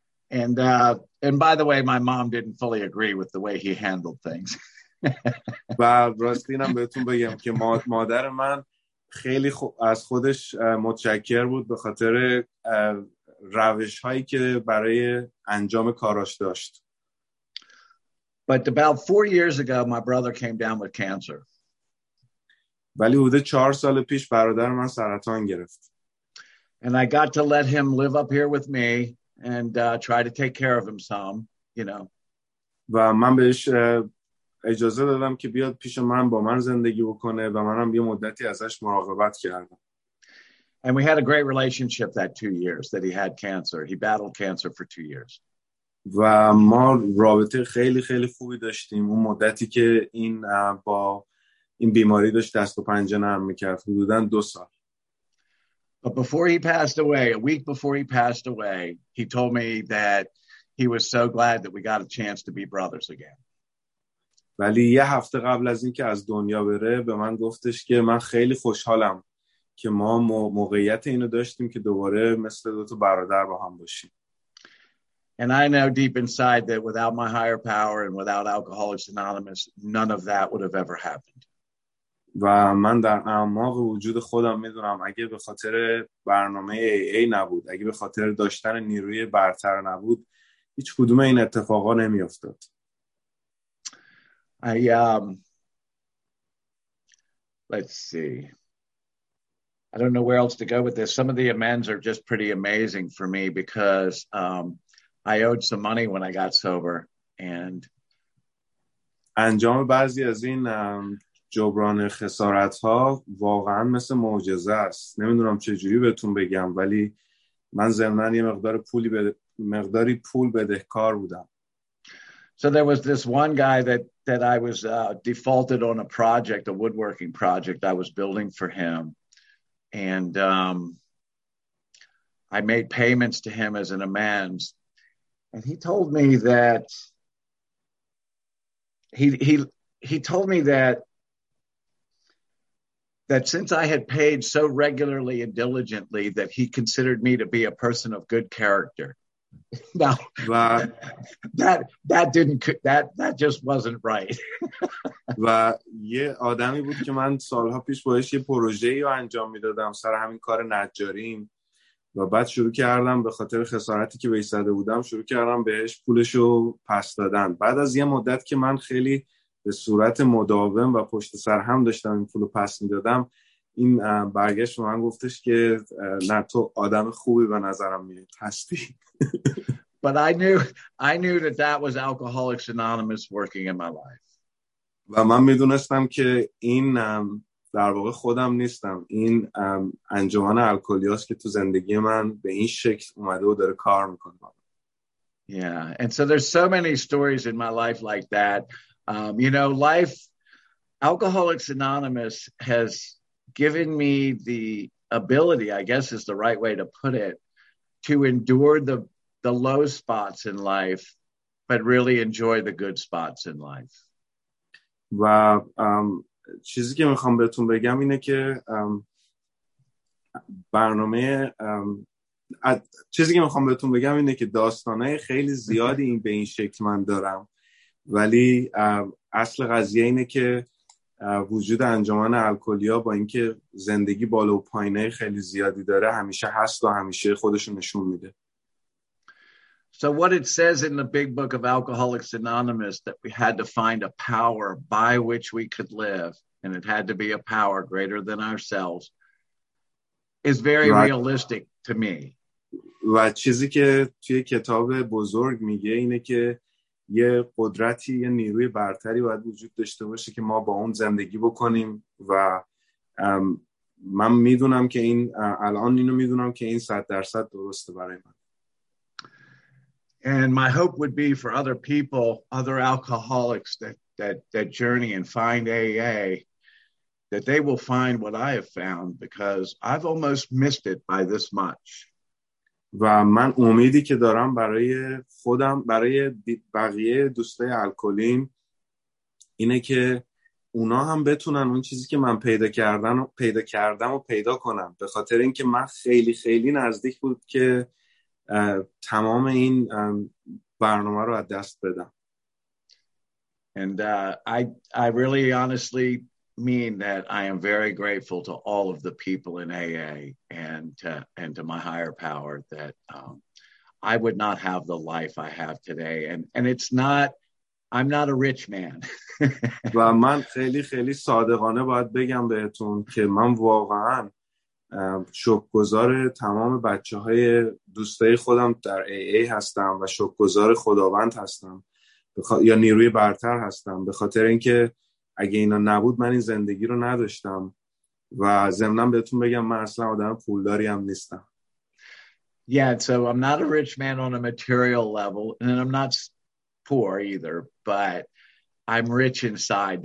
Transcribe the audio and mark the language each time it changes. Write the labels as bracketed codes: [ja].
[en] And by the way, my mom didn't fully agree with the way he handled things. [fa] و راستینم بهتون بگم که مادر من خیلی از خودش متشکر بود به خاطر روش هایی که برای انجام کاراش داشت. [en] But about 4 years ago my brother came down with cancer. [fa] ولی حدود 4 سال پیش برادر من سرطان گرفت. [en] And I got to let him live up here with me and try to take care of him some, you know. [fa] و من بهش اجازه دادم که بیاد پیش من با من زندگی بکنه و منم یه مدتی ازش مراقبت کردم. [en] And we had a great relationship that 2 years that he had cancer. He battled cancer for 2 years. [fa] و ما رابطه خیلی خیلی خوبی داشتیم اون مدتی که این با این بیماری داشت دست و پنجه نرم می‌کرد حدوداً 2 سال. [en] But before he passed away, a week before he passed away, he told me that he was so glad that we got a chance to be brothers again. [fa] ولی یه هفته قبل از اینکه از دنیا بره به من گفتش که من خیلی خوشحالم که ما موقعیت اینو داشتیم که دوباره مثل دو تا برادر با هم باشیم. [en] And I know deep inside that without my higher power and without Alcoholics Anonymous, none of that would have ever happened. [fa] و من در اعماق وجود خودم میدونم اگه به خاطر برنامه AA نبود، اگه به خاطر داشتن نیروی برتر نبود، هیچ کدوم این اتفاقا نمی‌افتاد. [en] I don't know where else to go with this. Some of the amends are just pretty amazing for me because I owed some money when I got sober and [fa] انجام بعضی از این جبران خسارت ها واقعا مثل معجزه است. نمیدونم چه جوری بهتون بگم ولی من زمانی مقداری پول بدهکار بودم. [en] So there was this one guy that I was defaulted on a project, a woodworking project I was building for him. And I made payments to him as an amends. And he told me that he told me that since I had paid so regularly and diligently that he considered me to be a person of good character. Now, that just wasn't right. [fa] و یه آدمی بود که من سالها پیش باهاش یه پروژه‌ای رو انجام میدادم سر همین کار نجاریم و بعد شروع کردم به خاطر خسارتی که بهش زده بودم شروع کردم بهش پولشو پس دادن. بعد از یه مدت که من خیلی به صورت مداوم و پشت سر هم داشتم این پولو پس میدادم این برگشت من گفتش که نه تو آدم خوبی به نظرم میاد هستی. [en] But I knew that was Alcoholics Anonymous working in my life. [fa] و من میدونستم که این در واقع خودم نیستم این انجمن الکلیاست که تو زندگی من به این شکل اومده و داره کار میکنه. [en] Yeah, and so there's so many stories in my life like that. You know, life Alcoholics Anonymous has given me the ability, I guess is the right way to put it, to endure the low spots in life, but really enjoy the good spots in life. [fa] و چیزی که میخوام بهتون بگم اینه که داستانه خیلی زیادی این به این شکل من دارم ولی اصل قضیه اینه که وجود انجمن الکلیا با اینکه زندگی بالا و پایینای خیلی زیادی داره همیشه هست و همیشه خودشو نشون میده. [en] So what it says in the big book of Alcoholics Anonymous that we had to find a power by which we could live and it had to be a power greater than ourselves is very realistic to me. [fa] و چیزی که توی کتاب بزرگ میگه اینه که یه قدرتی یه نیروی برتری باید وجود داشته باشه که ما با اون زندگی بکنیم و من میدونم که این الان اینو میدونم که این 100% درسته برای من. [en] And my hope would be for other people, other alcoholics that journey and find AA, that they will find what I have found because I've almost missed it by this much. [fa] و من امیدی که دارم برای خودم برای بقیه دوستای الکلیم اینه که اونا هم بتونن اون چیزی که من پیدا کردم و پیدا کنم به خاطر اینکه من خیلی خیلی نزدیک بود که تمام این برنامه رو از دست بدم. [en] And I really honestly mean that I am very grateful to all of the people in AA and to my higher power that I would not have the life I have today and it's not I'm not a rich man. [fa] و من خیلی خیلی صادقانه باید بگم بهتون که من واقعا شکرگزار تمام بچه‌های دوستای خودم در AA هستم و شکرگزار خداوند هستم یا نیروی برتر هستم به خاطر اینکه اگه اینا نبود من این زندگی رو نداشتم و ضمناً بهتون بگم من اصلا آدم پولداری هم نیستم. [en] Yeah, so I'm not a rich man on a material level, and I'm not poor either, but I'm rich inside.